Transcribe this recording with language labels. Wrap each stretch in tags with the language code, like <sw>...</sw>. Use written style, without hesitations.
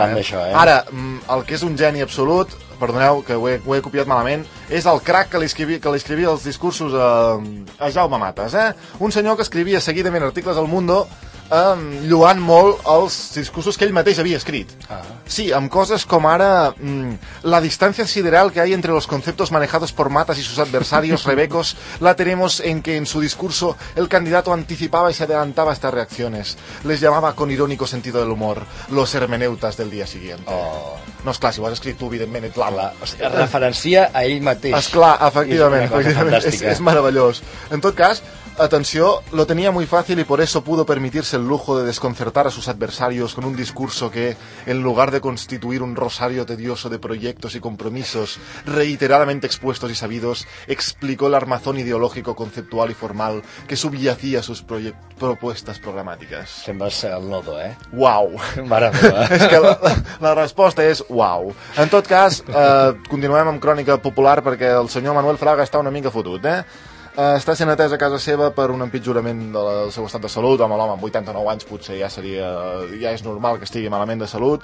<ca>Molt fan d'això, eh? Ara, el que és un geni absolut, perdoneu que ho he copiat malament, és el crac que li escrivia els discursos a Jaume Matas, Un senyor que escrivia seguidament articles al Mundo lluant molt els discursos que ell mateix havia escrit. Sí, amb coses com ara la distància sideral</ca> <es>que hay entre los conceptos manejados por Matas y sus adversarios rebecos, la tenemos en que en su discurso el candidato anticipaba y se adelantaba estas reacciones. Les llamaba con irónico sentido del humor los hermeneutas del día siguiente.</es> <ca>No, és clar, si ho has escrit tu, evidentment, ets l'ama. Referencia a ell mateix. És clar, efectivament. És meravellós. En tot cas, atenció,</ca> <es>lo tenía muy fácil y por eso pudo permitirse el lujo de desconcertar a sus adversarios con un discurso que, en lugar de constituir un rosario tedioso de proyectos y compromisos reiteradamente expuestos y sabidos, explicó el armazón ideológico, conceptual y formal que subyacía a sus propuestas programáticas.</es> <ca>Sembles el nodo, eh? Uau!</ca> <es>Maravilla.</es> <ca>És que la resposta és uau. En tot cas, continuem amb crònica popular perquè el senyor Manuel Fraga està una mica fotut, eh? Està sent atès a casa seva per un empitjorament del seu estat de salut. Home, l'home amb 89 anys potser ja és normal que estigui malament de salut.</ca>